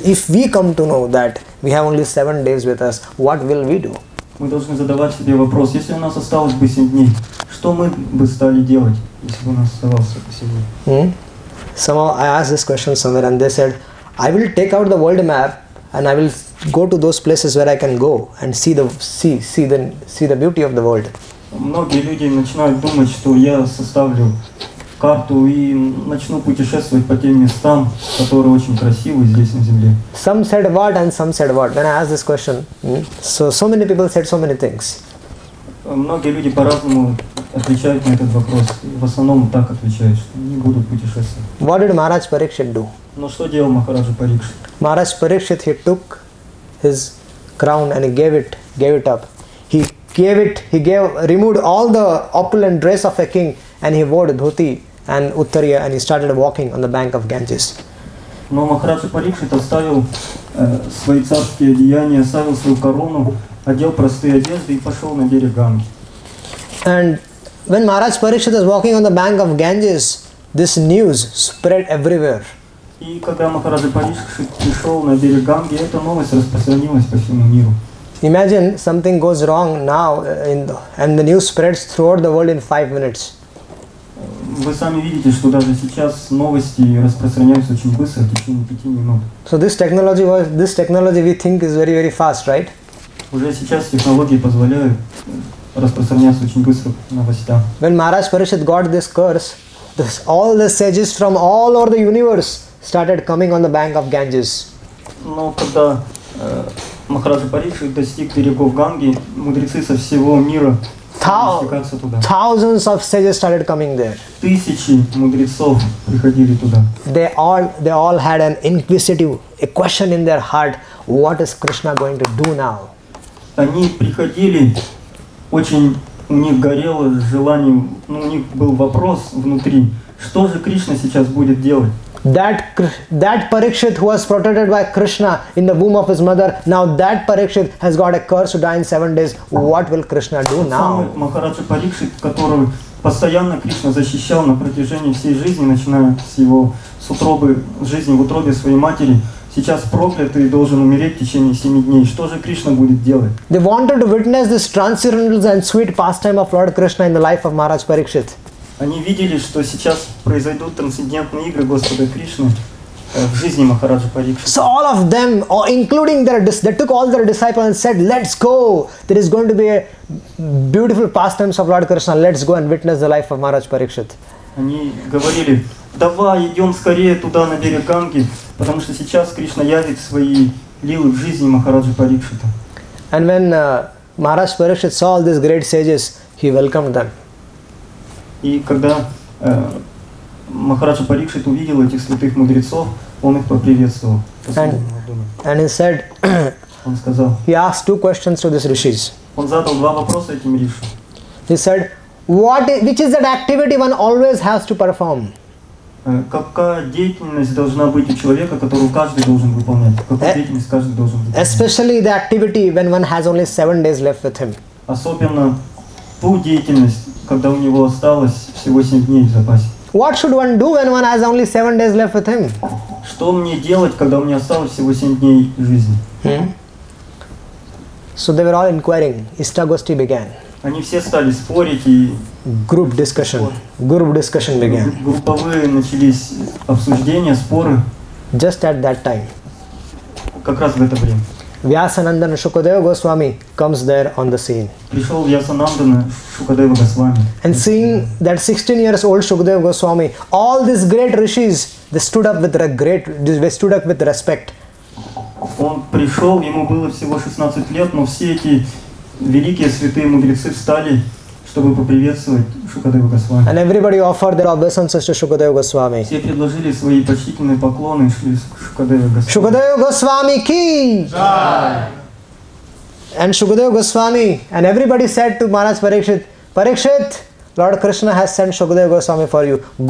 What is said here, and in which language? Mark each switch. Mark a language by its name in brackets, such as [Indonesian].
[English] If we come to know that we have only 7 days with us, what will we do? [Russian] Мы должны задавать себе вопрос, если у нас осталось бы 7 дней, что мы бы стали делать, если бы у нас оставалось бы 7 дней? [English] Somehow I asked this question somewhere and they said, I will take out the world map and I will go to those places where I can go and see the beauty of the world. [Russian] Многие люди начинают думать, что я составлю карту и начну путешествовать по тем местам, которые очень красивы здесь на Земле. [English] Some said what and some said what. When I asked this question, so many people said so many things. [Russian] Многие люди по-разному отвечают на этот вопрос. В основном так отвечают, что не будут путешествовать. [English] What did Maharaj Parikshit do? [Russian] Но что делал Махарадж Парикшит? [English] Maharaj Parikshit, he took his crown and he gave it up. He removed all the opulent dress of a king. And he wore dhoti and uttariya and he started walking on the bank of Ganges. [Russian] Но Махараджа Парикшит оставил свои царские одеяния, оставил свою корону, одел простые одежды и пошел на берег Ганги. [English] And when Maharaj Parikshit was walking on the bank of Ganges, this news spread everywhere. [Russian] И когда Махараджа Парикшит пришел на берег Ганги, эта новость распространилась по всему миру. [English] Imagine something goes wrong now and the news spreads throughout the world in 5 minutes. [Russian] Вы сами видите, что даже сейчас новости распространяются очень быстро, в течение 5 минут. [English] So this technology we think is very, very fast, right? [Russian] Уже сейчас технологии позволяют распространяться очень быстро новостям. [English] When Maharaj Parikshit got this curse, all the sages from all over the universe started coming on the bank of Ganges. [Russian] Но когда Махараджа Парикшит достиг берегов Ганги, мудрецы со всего мира [English] Thousands of sages started coming there. [Russian] Тысячи мудрецов приходили туда. [English] They all had an inquisitive, a question in their heart. What is Krishna going to do now? [Russian] Они приходили, очень у них горело желание, ну у них был вопрос внутри, что же Кришна сейчас будет делать? [English] That Parikshit who was protected by Krishna in the womb of his mother, now that Parikshit has got a curse to die in 7 days. What will Krishna do now? [Russian] Махараджа Парикшит, которого постоянно Кришна защищал на протяжении всей жизни, начиная с его с утробы жизни в утробе своей матери, сейчас проклят и должен умереть в течение 7 дней. Что же Кришна будет делать? [English] They wanted to witness this transcendental and sweet pastime of Lord Krishna in the life of Maharaj Parikshit. [Russian] Они видели, что сейчас произойдут трансцендентные игры Господа Кришны в жизни Махараджа Парикшит. [English] So all of them, including they took all their disciples and said, "Let's go. There is going to be a beautiful pastimes of Lord Krishna. Let's go and witness the life of Maharaj Parikshit." [Russian] Они говорили: "Давай идем скорее туда на берег Ганги, потому что сейчас Кришна явит свои лилы в жизни Махараджа Парикшита." [English] And when Maharaj Parikshit saw all these great sages, he welcomed them. [Russian] И когда Махараджа Парикшит увидел этих святых мудрецов, он их поприветствовал. [English] And he said, [Russian] он сказал, [English] he asked two questions to these rishis. [Russian] Он задал два вопроса этим риши. [English] He said, which is that activity one always has to perform? [Russian] Какая деятельность должна быть у человека, которую каждый должен выполнять? Какую деятельность каждый должен выполнять? [English] Especially the activity when one has only 7 days left with him. [Russian] Особенно ту деятельность, когда у него осталось всего 7 дней в запасе. [English] What should one do when one has only 7 days left with him? [Russian] Что мне делать, когда у меня осталось всего 7 дней жизни? [English] So they were all inquiring. Istagosti began. [Russian] Они все стали спорить и... [English] Group discussion began. [Russian] Групповые начались обсуждения, споры. [English] Just at that time. [Russian] Как раз в это время. [English] Vyasanandana Shukadeva Goswami comes there on the scene. [Russian] Пришел Vyasanandana Shukadeva Goswami. [English] And seeing that 16 years old Shukadeva Goswami, all these great rishis, they stood up with respect. [Russian] Он пришел, ему было всего 16 лет, но все эти великие святые мудрецы встали, чтобы поприветствовать Shukadeva Goswami. [English] And everybody offered their obeisances to Shukadeva Goswami. [Russian] Все предложили свои почтительные поклоны Shukadeva Goswami. [Hindi] Shukadeva Goswami ki! Jai! [English] And Shukadeva Goswami and everybody said to Maharaj Parikshit, Parikshit, Lord Krishna has sent Shukadeva Goswami for you.